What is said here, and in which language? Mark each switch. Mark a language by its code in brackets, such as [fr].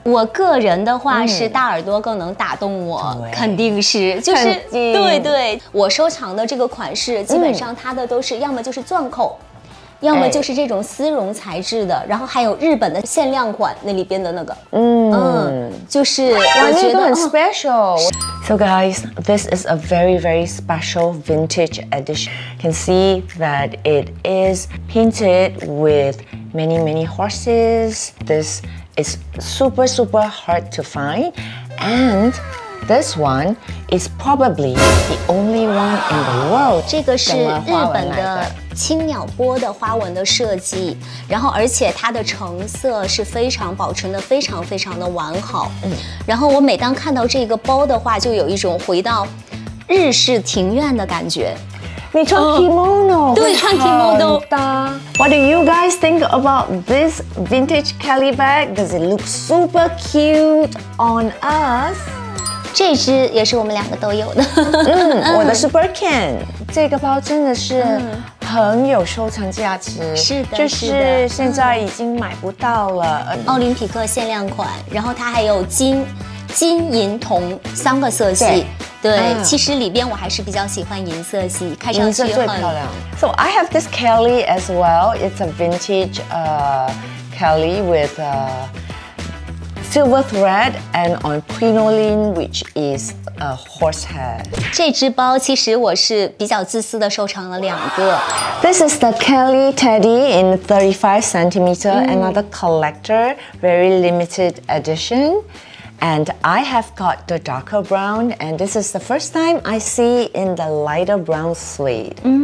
[zh] 我个人的话是大耳朵更能打动我，肯定是，就是对对，我收藏的这个款式基本上它的都是要么就是钻扣，要么就是这种丝绒材质的，然后还有日本的限量款那里边的那个，就是我觉得很 special。 [en] So guys, this is a very very special vintage edition. Can see that it is painted with many many horses. This is super super hard to find, and this one is probably the only one in the world. [zh] 这个是日本的轻鸟波的花纹的设计，然后而且它的成色是非常保存的非常非常的完好。然后我每当看到这个包的话，就有一种回到日式庭院的感觉。你穿 kimono 对穿 kimono 很搭 [en] What do you guys think about this vintage Kelly bag? Does it look super cute on us? [zh] 这只也是我们两个都有的我的 Super Can 这个包真的是很有收藏价值是的就是现在已经买不到了奥林匹克限量款然后它还有金银铜三个色系对,其实里边我还是比较喜欢银色系银色最漂亮 [en] So I have this Kelly as well It's a vintage Kelly with a silver thread and on crinoline which is a horsehair [zh] 这只包其实我是比较自私地收藏了两个 [en] This is the Kelly Teddy in 35cm Another collector, very limited edition And I have got the darker brown, and this is the first time I see in the lighter brown suede.